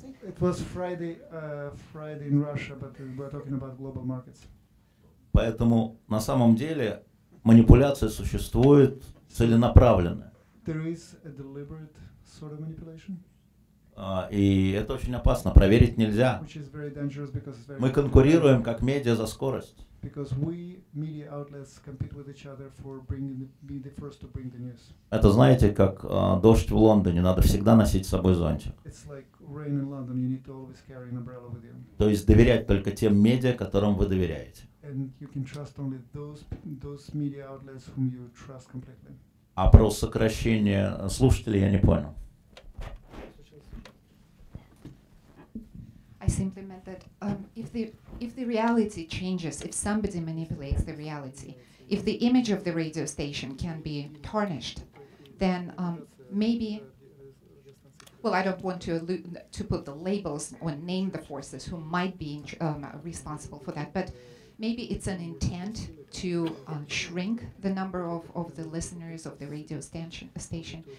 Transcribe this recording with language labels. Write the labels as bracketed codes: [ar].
[en] It was Friday, Friday in Russia, but we're talking about global markets. [ru] Поэтому на самом деле манипуляция существует целенаправленно. [en] There is a deliberate sort of manipulation. [ru] И это очень опасно. Проверить нельзя. [en] Which is very dangerous because it's very. [ru] Мы конкурируем как медиа за скорость. [en] Because we media outlets compete with each other for bringing being the first to bring the news. [ru] Это знаете, как дождь в Лондоне, надо всегда носить с собой зонтик. [en] It's like rain in London, you need to always carry an umbrella with you. [ru] То есть доверять только тем медиа, которым вы доверяете. [en] And you can trust only those media outlets whom you trust completely. [ru] А про сокращение слушателей я не понял. [en] I simply meant that if the reality changes, if somebody manipulates the reality, if the image of the radio station can be tarnished, then maybe. Well, I don't want to put the labels or name the forces who might be responsible for that, but maybe it's an intent to shrink the number of the listeners of the radio station.